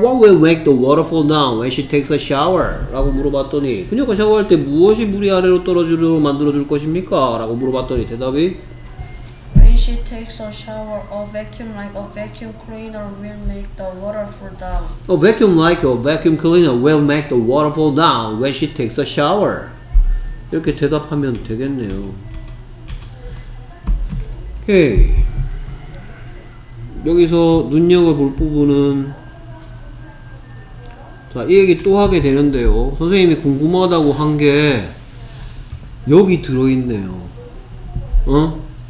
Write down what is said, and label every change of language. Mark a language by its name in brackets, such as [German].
[English] What will make the water fall down when she takes a shower? [Korean] 라고 물어봤더니 그녀가 샤워할 때 무엇이 물이 아래로 떨어지도록 만들어줄 것입니까? 라고 물어봤더니 대답이 [English] When she takes a shower, a vacuum like a vacuum cleaner will make the water fall down. A vacuum like a vacuum cleaner will make the water fall down when she takes a shower. [Korean] 이렇게 대답하면 되겠네요. 오케이. 여기서 눈여겨볼 부분은 자, 이 얘기 또 하게 되는데요. 선생님이 궁금하다고 한 게 여기 들어있네요. 어?